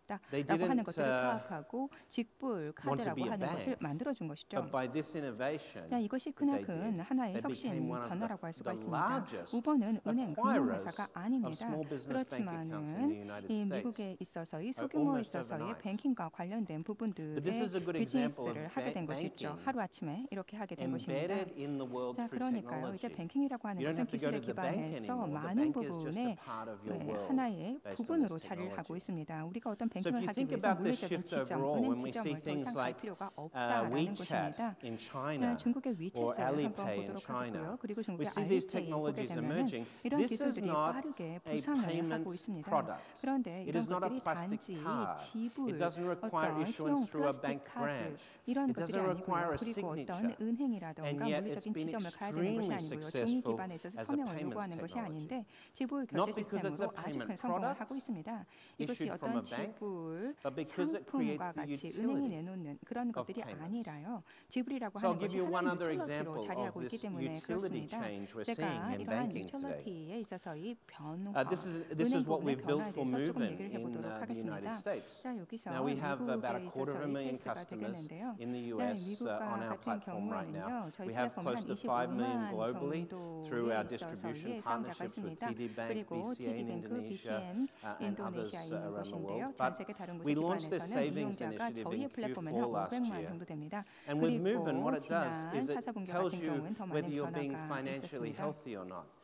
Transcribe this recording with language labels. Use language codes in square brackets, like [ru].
[en] They didn't want to be a bank, but by this innovation, they became one of the largest acquirers of small business bank accounts in the United States, almost overnight. But this is a good example of banking embedded in the world through technology. You don't have to go to the bank anymore. The [ko] 많은 부분에 하나의 부분으로 자리를 하고 있습니다. 우리가 어떤 뱅킹을 가지고 있으면 물리적인 지점, 은행 지점을 상상할 필요가 없다라는 것입니다. 중국의 WeChat을 한번 보도록 하고요. 그리고 중국의 Alipay 때문에 이런 기술들이 빠르게 부상을 하고 있습니다. 그런데 이런 것들이 단지 지불, 어떤 플라스틱 카드, 이런 것들이 아니고 그리고 어떤 은행이라든가 물리적인 지점을 가야 되는 것이 아니고요. 종이 기반에 있어서 서명을 요구하는 것이 아닌데 지불 결제 시스템으로 아주 큰 성공을 하고 있습니다. 이것이 어떤 지불 상품과 같이 은행이 내놓는 그런 것들이 아니라요. 지불이라고 하는 것이 하나의 유틸리티로 자리하고 있기 때문에 그렇습니다. 제가 이러한 유틸리티에 있어서 이 변화, 은행 부분의 변화에 대해서 조금 얘기를 해보도록 하겠습니다. 자, 여기서 미국에 있어서 이 케이스가 되겠는데요. 미국과 같은 경우에는요. 저희 플랫폼은 25만 [en] globally through our distribution partnerships with TD Bank, BCA in Indonesia, and others around the world. But we launched this savings initiative in Q4 last year. And with Moovin, what it does is it tells you whether you're being financially healthy or not.